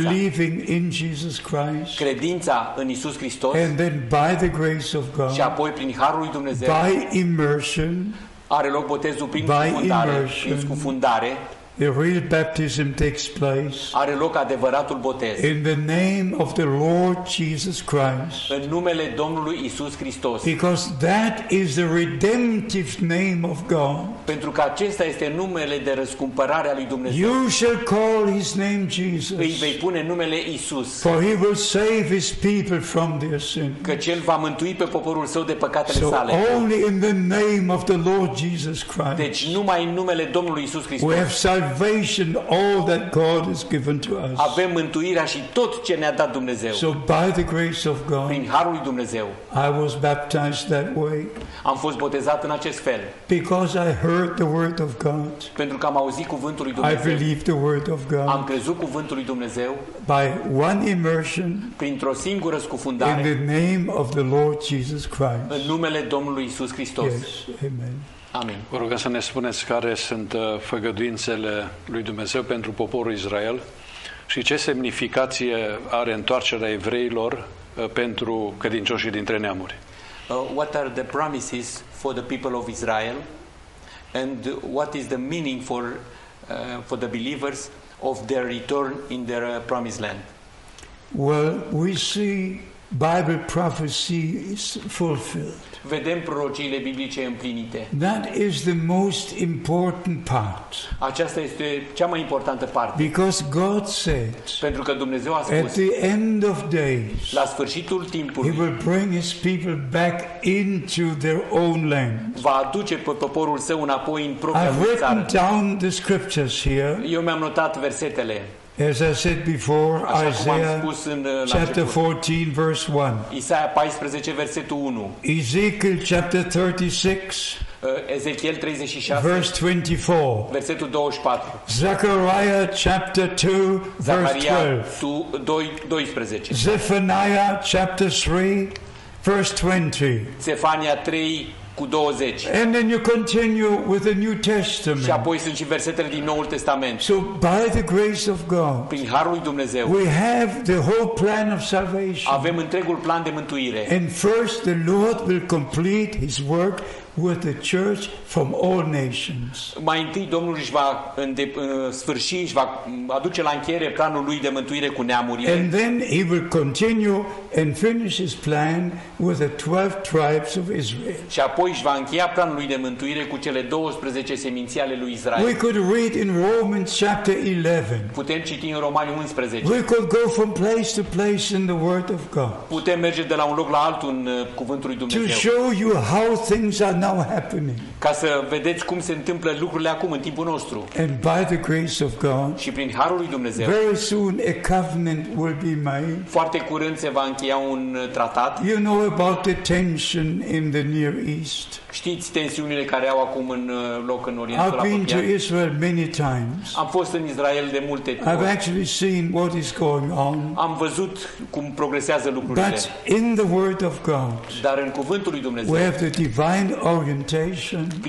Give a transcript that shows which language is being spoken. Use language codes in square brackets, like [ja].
[en] Believing in Jesus Christ. [ro] Credința în Iisus Hristos. [en] And then by the grace of God. [ro] Și apoi prin harul lui Dumnezeu. [en] By immersion. [ro] Are loc botezul prin scufundare. [en] The real baptism takes place. [ro] Are loc adevăratul botez. [en] In the name of the Lord Jesus Christ. [ro] În numele Domnului Isus Hristos. [en] Because that is the redemptive name of God. [ro] Pentru că acesta este numele de răscumpărare a lui Dumnezeu. [en] You shall call his name Jesus. [ro] Îi vei pune numele Isus. [en] For he will save his people from their sins. [ro] Că cel va mântui pe poporul său de păcatele sale. [en] So only in the name of the Lord Jesus Christ. [ro] Deci numai în numele Domnului Isus Hristos. [en] Salvation, all that God has given to us. [ro] Avem mântuirea și tot ce ne-a dat Dumnezeu. [en] So by the grace of God, [ro] prin harul lui Dumnezeu, [en] I was baptized that way. [ro] Am fost botezat în acest fel. [en] Because I heard the word of God. [ro] Pentru că am auzit cuvântul lui Dumnezeu. [en] I believed the word of God. [ro] Am crezut cuvântul lui Dumnezeu. [en] By one immersion. [ro] Printr-o singură scufundare. [en] In the name of the Lord Jesus Christ. [ro] În numele Domnului Iisus Hristos. [en] Yes. Amen. [ro] Amin. Vă rugăm să ne spuneți care sunt făgăduințele lui Dumnezeu pentru poporul Israel și ce semnificație are întoarcerea evreilor pentru credincioșii dintre neamuri. [en] What are the promises for the people of Israel and what is the meaning for the believers of their return in their promised land? Well, we see Bible prophecy is fulfilled. [ro] Vedem prorociile biblice împlinite. [en] That is the most important part. [ro] Aceasta este cea mai importantă parte. [en] Because God said. [ro] Pentru că Dumnezeu a spus. [en] At the end of days. [ro] La sfârșitul timpului. [en] He will bring his people back into their own land. [ro] Va aduce poporul său înapoi în propria țară. [en] I've written down the scriptures here. [ro] Eu mi-am notat versetele. [en] As I said before, Isaiah chapter 14, verse 1. [ro] Isaia 14, versetul 1. [en] Ezekiel chapter 36. [ro] Ezechiel 36. [en] Verse 24. [ro] Versetul 24. [en] Zechariah chapter 2, verse 12. [ro] 12. [en] Zephaniah chapter 3, verse 20. [ro] Zefania 3. [en] And then you continue with the New Testament. [ro] Și apoi sunt și versetele din Noul Testament. [en] So by the grace of God, [ro] prin harul lui Dumnezeu, [en] we have the whole plan of salvation. [ro] Avem întregul plan de mântuire. [en] And first, the Lord will complete His work with the church from all nations. [ro] Mai întâi Domnul își va sfârși și va aduce la încheiere planul lui de mântuire cu neamurile. [en] And then he will continue and finish his plan with the 12 tribes of Israel. [ro] Și apoi își va încheia planul lui de mântuire cu cele 12 seminții ale lui Israel. [en] We could read in Romans chapter 11. [ro] Putem citi în Romani 11. [en] We could go from place to place in the word of God. [ro] Putem merge de la un loc la altul în cuvântul lui Dumnezeu. [en] To show you how things are now happening. [ro] Ca să vedeți cum se întâmplă lucrurile acum în timpul nostru. [en] And by the grace of God. [ro] Și prin harul lui Dumnezeu. [en] Very soon a covenant will be made. [ro] Foarte curând se va încheia un tratat. [en] You know about the tension in the Near East. [ro] Știți tensiunile care au acum în loc în Orientul Apropiat. [en] I've been to Israel many times. [ro] Am fost în Israel de multe ori. [en] I've actually seen what is going on. [ro] Am văzut cum progresează lucrurile. [en] But in the word of God. [ro] Dar în cuvântul lui Dumnezeu. [en] We have the divine orientation.